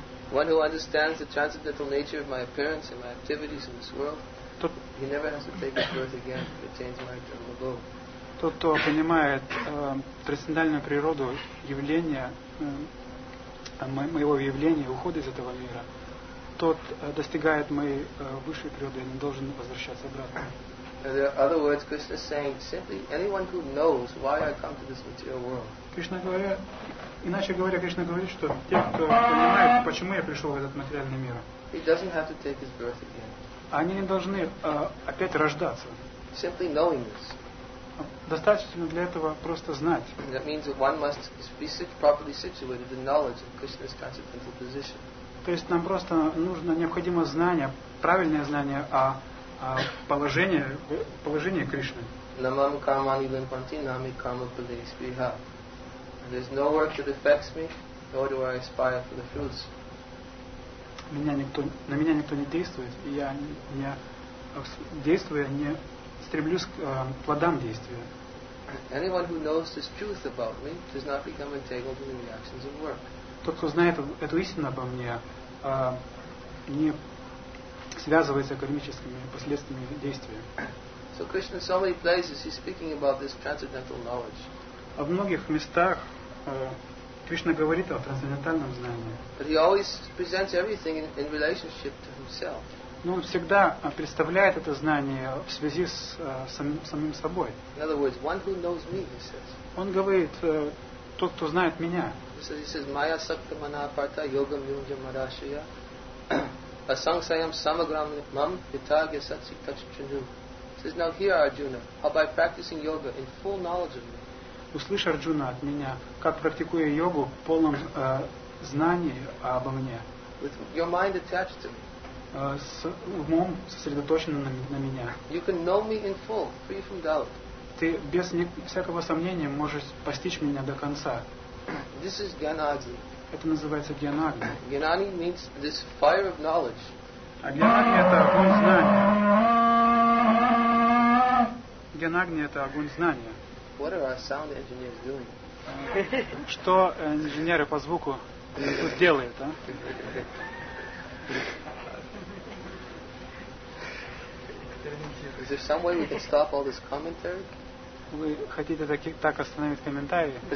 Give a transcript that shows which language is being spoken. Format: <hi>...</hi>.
<en>One who understands the transcendental nature of my appearance and my activities in this world, he never has to take his birth again to attain my eternal abode.</en> <ru>Тот, кто понимает трансцендентальную природу явления, моего явления, ухода из этого мира, тот достигает моей высшей природы и не должен возвращаться обратно.</ru> <en>There are other words Krishna is saying, simply anyone who knows why I come to this material world.</en> <ru>Кришна говорит, иначе говоря, Кришна говорит, что те, кто понимает, почему я пришел в этот материальный мир,</ru> <en>he doesn't have to take his birth again.</en> <ru>Они не должны опять рождаться.</ru> <en>Simply knowing this.</en> <ru>Достаточно для этого просто знать.</ru> <en>That means that one must be properly situated in knowledge of Krishna's transcendental position.</en> <ru>То есть нам просто нужно необходимо знание, правильное знание о положении Кришны.</ru> <sa>Namam kamani limpanti nami kama pali spiha.</sa> <en>There's no work that affects me, nor do I aspire for the fruits.</en> <ru>На меня никто не действует, и я не действую, не стремлюсь к плодам действия.</ru> <en>Anyone who knows this truth about me does not become entangled in the reactions of work.</en> <ru>Тот, кто знает эту истину обо мне, не связывается кармическими последствиями действия.</ru> <en>So Krishna, so many places he's speaking about this transcendental knowledge.</en> <ru>А в многих местах Кришна говорит о трансцендентальном знании.</ru> <en>But he always presents everything in relationship to himself.</en> <ru>Но он всегда представляет это знание в связи с самим собой.</ru> <en>In other words, one who knows me, he says.</en> <ru>Он говорит, тот, кто знает меня.</ru> <en>He says,</en> <sa>Maya sakta mana aparta yogam yunja marashaya asangsayam samagram mam hitagya satsi tachchanu.</sa> <en>He says, now hear, Arjuna, how by practicing yoga in full knowledge of me.</en> <ru>Услышь, Арджуна, от меня, как практикуя йогу в полном знании обо мне.</ru> <en>With your mind attached to me.</en> <ru>С умом сосредоточенным на меня.</ru> <en>You can know me in full, free from doubt.</en> <ru>Ты без всякого сомнения можешь постичь меня до конца.</ru> <en>This is Gyanagni.</en> <ru>Это называется Gyanagni.</ru> <en>Gyanagni means this fire of knowledge.</en> <ru>А Gyanagni это огонь знания. Gyanagni это огонь знания.</ru> <en>What are our sound engineers doing?</en> <ru>Что инженеры по звуку тут делают, а?</ru> <en>Is there some way we can stop all this commentary?</en> <ru>Вы хотите так остановить комментарии?</ru>